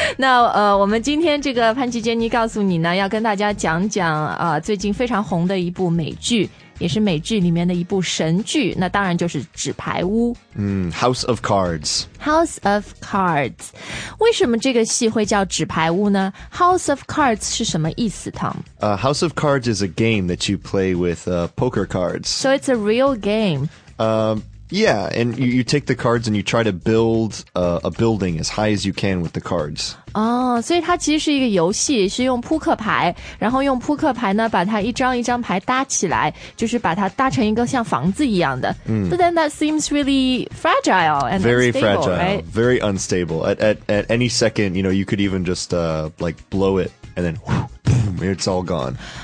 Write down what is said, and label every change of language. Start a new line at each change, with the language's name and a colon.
Chinese: 那我们今天这个潘吉杰尼告诉你呢，要跟大家讲讲最近非常红的一部美剧，也是美剧里面的一部神剧，那当然就是纸牌屋。
English: House of Cards。 House of Cards。
Chinese: 为什么这个戏会叫纸牌屋呢？ House of Cards 是什么意思 Tom?
English: House of Cards is a game that you play with poker cards. So it's a real game. Yeah, and you take the cards and you try to build a building as high as you can with the cards.
Chinese: 哦，所以它其实是一个游戏，是用扑克牌，然后用扑克牌呢把它一张一张牌搭起来，就是把它搭成一个像房子一样的。
English: But then that seems really fragile and unstable, very fragile, right? Very unstable. At any second, you know, you could even just like blow it and then boom, it's all gone.